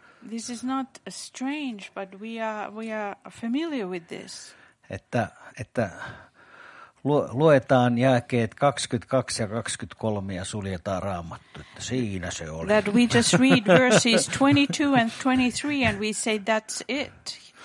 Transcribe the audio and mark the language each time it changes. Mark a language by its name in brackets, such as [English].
[English] This is not strange, but we are familiar with this. [Finnish] Että luetaan jakeet 22 ja 23 ja suljetaan Raamattu, että siinä se oli. [English] That we just read verses 22 and 23 and we say that's it.